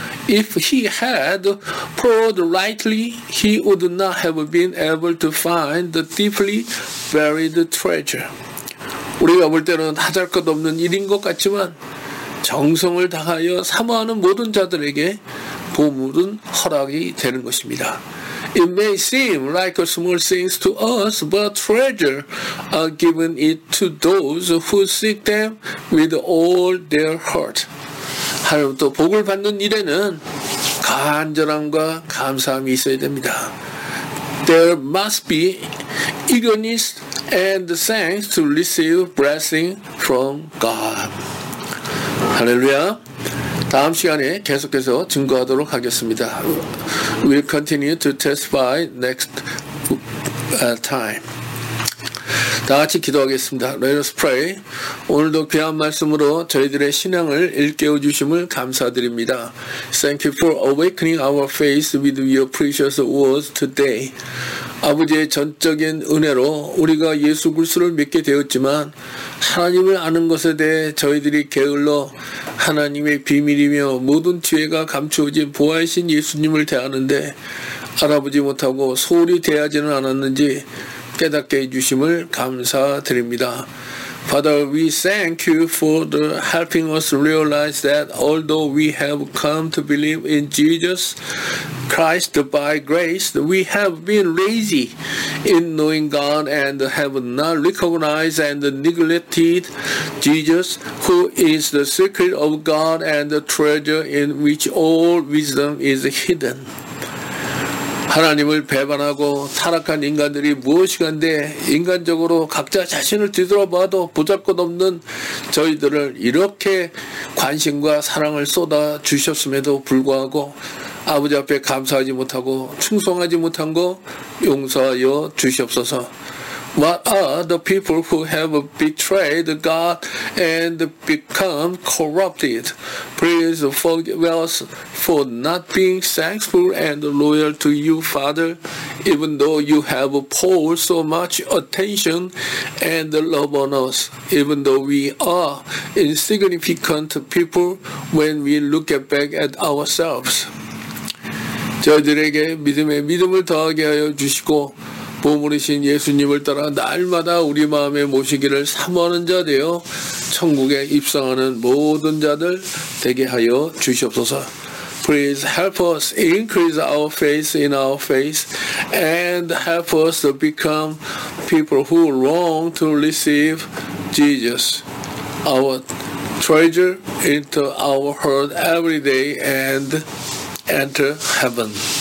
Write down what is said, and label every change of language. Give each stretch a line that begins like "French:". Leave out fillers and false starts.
English: If he had poured lightly, he would not have been able to find the deeply buried treasure.
Korean: 우리가 볼 때는 하잘 것 없는 일인 것 같지만 정성을 다하여 사모하는 모든 자들에게 보물은 허락이 되는 것입니다.
English: It may seem like a small thing to us, but treasure are given it to those who seek them with all their heart.
Korean: 하나님 또 복을 받는 일에는 간절함과 감사함이 있어야 됩니다.
English: There must be eagerness and thanks to receive blessing from God. 할렐루야.
Korean: 다음 시간에 계속해서 증거하도록 하겠습니다.
English: We'll continue to testify next time.
Korean: 다 같이 기도하겠습니다.
English: Let us pray.
Korean: 오늘도 귀한 말씀으로 저희들의 신앙을 일깨워 주심을 감사드립니다.
English: Thank you for awakening our faith with your precious words today.
Korean: 아버지의 전적인 은혜로 우리가 예수 그리스도를 믿게 되었지만 하나님을 아는 것에 대해 저희들이 게을러 하나님의 비밀이며 모든 지혜가 감추어진 부활하신 예수님을 대하는데 알아보지 못하고 소홀히 대하지는 않았는지 깨닫게 해주심을 감사드립니다.
English: Father, we thank you for the helping us realize that although we have come to believe in Jesus Christ by grace, we have been lazy in knowing God and have not recognized and neglected Jesus, who is the secret of God and the treasure in which all wisdom is hidden.
Korean: 하나님을 배반하고 타락한 인간들이 무엇이간데 인간적으로 각자 자신을 뒤돌아봐도 보잘것없는 저희들을 이렇게 관심과 사랑을 쏟아 주셨음에도 불구하고 아버지 앞에 감사하지 못하고 충성하지 못한 거 용서하여 주시옵소서.
English: What are the people who have betrayed God and become corrupted? Please forgive us for not being thankful and loyal to you, Father, even though you have poured so much attention and love on us. Even though we are insignificant people when we look back at ourselves.
Korean: 저희들에게 믿음에 믿음을 더하게 하여 주시고 보물이신 예수님을 따라 날마다 우리 마음에 모시기를 사모하는 자 되어 천국에 입성하는 모든 자들 되게 하여 주시옵소서.
English: Please help us increase our faith in our faith and help us to become people who long to receive Jesus, our treasure, into our heart every day and enter heaven.